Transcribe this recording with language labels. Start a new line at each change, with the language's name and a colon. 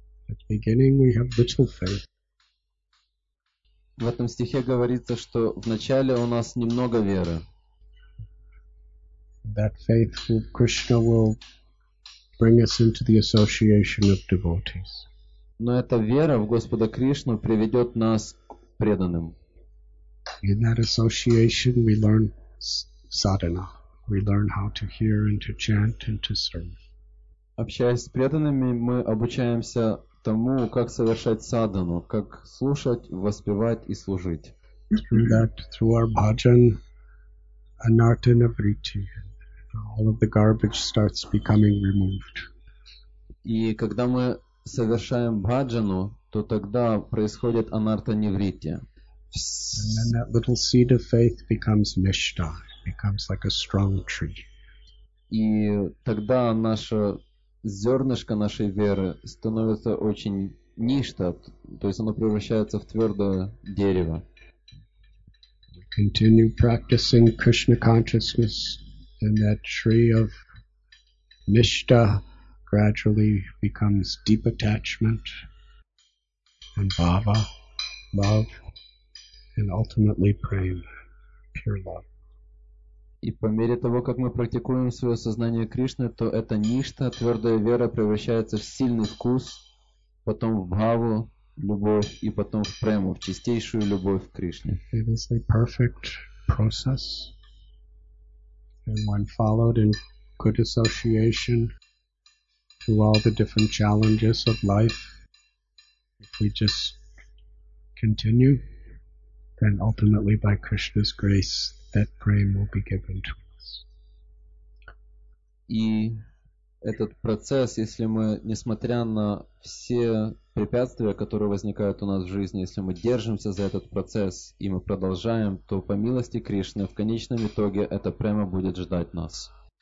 English: At the beginning we have little faith.
Russian: В этом стихе говорится, что в начале у нас немного веры.
English: That faith in Krishna will bring us into the association of devotees.
Russian: Но эта вера в Господа Кришну приведет нас к преданным.
English: In that association we learn sadhana. We learn how to hear and to chant and to serve.
Russian: Общаясь с преданными, мы обучаемся тому, как совершать садхану, как слушать, воспевать и служить. И когда мы совершаем бхаджану, то тогда происходит анарта-ниврити.
English: And then that little seed of faith becomes nishta, becomes like a strong tree.
Russian: И тогда наше зернышко нашей веры становится очень ништа, то есть оно превращается в твердое дерево.
English: We continue practicing Krishna consciousness, and that tree of nishta gradually becomes deep attachment and bhava, love, and ultimately prem, pure love.
Russian: И по мере того, как мы практикуем свое сознание Кришны, то эта ништа, твердая вера, превращается в сильный вкус, потом в бхаву, любовь, и потом в прему, в чистейшую любовь к Кришне.
English: It is a perfect process, and when followed in good association through all the different challenges of life, if we just continue, then ultimately by Krishna's grace, that prema will be given to us.
Russian: И этот процесс, если мы, несмотря на все препятствия, которые возникают у нас в жизни, если мы держимся за этот процесс и мы продолжаем, то по милости Кришны в конечном итоге эта према будет ждать нас.